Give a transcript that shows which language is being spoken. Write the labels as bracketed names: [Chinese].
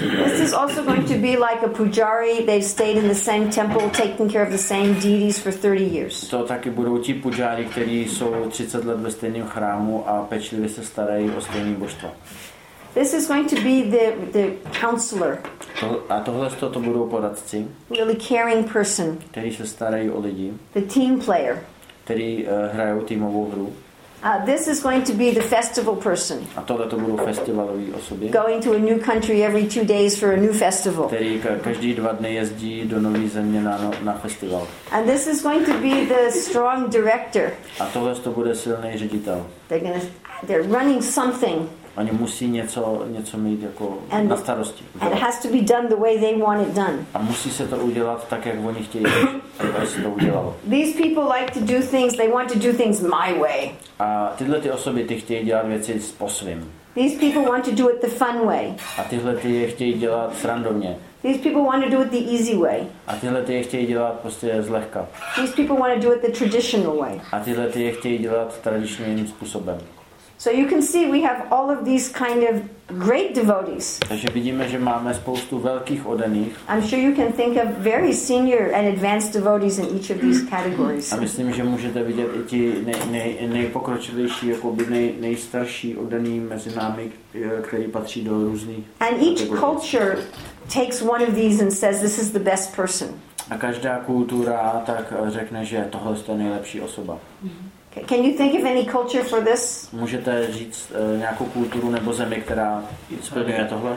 [English] This is also going to be like a pujari. They've stayed in the same temple, taking care of the same deities for 30 years. [Czech] To taky budou ti pujari, kteří jsou 30 let ve stejném chrámu a pečlivě se starají o stejné božstvo. [English] This is going to be the counselor. [Czech] A tohle to budou poradci. [English] Really caring person. [Czech] Který se starají o lidi. [English] The team player. [Czech] Který hrajou týmovou hru. [English] This is going to be the festival person. [Czech] A tohle to budou festivalové osoby. [English] Going to a new country every 2 days for a new festival. [Czech] Který každý dva dny jezdí do nové země na festival. [English] And this is going to be the strong director. [Czech] A tohle to bude silný ředitel. [English] They're running something. [Czech] Oni musí něco mít jako na starosti. [English] And it has to be done the way they want it done. [Czech] A musí se to udělat tak, jak oni chtějí, aby se to udělalo. [English] These people like to do things, they want to do things my way. [Czech] A tyhle ty osoby ty chtějí dělat věci po svým. [English] These people want to do it the fun way. [Czech] A tyhle ty je chtějí dělat srandovně. [English] These people want to do it the easy way. [Czech] A tyhle ty je chtějí dělat prostě zlehka. [English] These people want to do it the traditional way. [Czech] A tyhle ty je chtějí dělat tradičním způsobem. [English] So you can see we have all of these kind of great devotees. [Czech] Takže vidíme, že máme spoustu velkých oddaných. [English] I'm sure you can think of very senior and advanced devotees in each of these categories. [Czech] A myslím, že můžete vidět i ti nejpokročilejší, jakoby nejstarší oddaný mezi námi, který patří do různých kategorií. [English] And each culture takes one of these and says this is the best person. [Czech] A každá kultura tak řekne, že tohle je nejlepší osoba. [English] Can you think of any culture for this? [Czech] Můžete říct nějakou kulturu nebo zemi, která splňuje tohle?